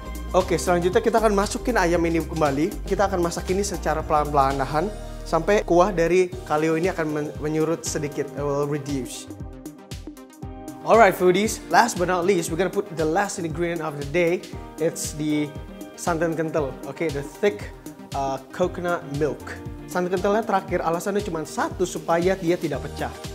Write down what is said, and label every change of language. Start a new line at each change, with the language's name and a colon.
Indonesian: Oke, selanjutnya kita akan masukin ayam ini kembali. Kita akan masak ini secara pelan-pelan sampai kuah dari kalio ini akan menyurut sedikit.
English: It will reduce. Alright foodies, last but not least, we're gonna put the last ingredient of the day. It's the santan kental. Okay, the thick coconut milk.
Indonesian: Santan kentalnya terakhir, alasannya cuma satu, supaya dia tidak pecah.